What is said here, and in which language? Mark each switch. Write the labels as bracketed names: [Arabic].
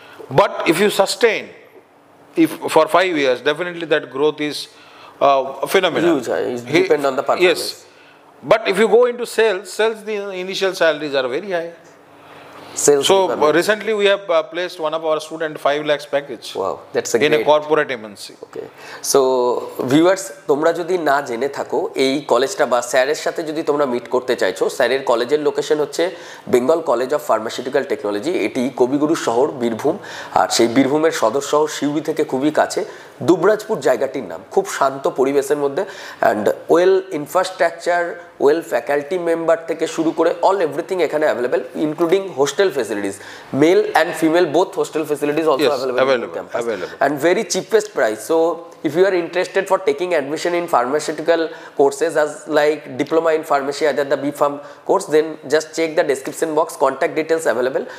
[English] But if you sustain if for 5 years, definitely that growth is phenomenal. Huge, it depends on the performance. Yes. But if you go into sales, the initial salaries are very high. Sales. So recently we have placed one of our student 5 lakhs package. Wow, that's a great. In a corporate MNC. Okay. So viewers, [Bangla] তোমরা যদি না জেনে থাকো এই কলেজটা বা স্যারের সাথে যদি তোমরা মিট করতে চাইছো, স্যারের কলেজের লোকেশন হচ্ছে Bengal college of pharmaceutical technology, এটি কবিগুরু শহর বীরভূম, আর সেই বীরভূমের সদর শহর সিউড়ি থেকে খুবই কাছে, দুবরাজপুর জায়গাটির নাম, খুব শান্ত পরিবেশের মধ্যে, [English] and well infrastructure, [Bangla] well faculty member থেকে শুরু করে [English] all everything [Bangla] এখানে available, including hostel [English] hostel facilities. Male and female, both hostel facilities also available. And very cheapest price. So if you are interested for taking admission in pharmaceutical courses as like diploma in pharmacy either the B.Pharm course, then just check the description box, contact details available.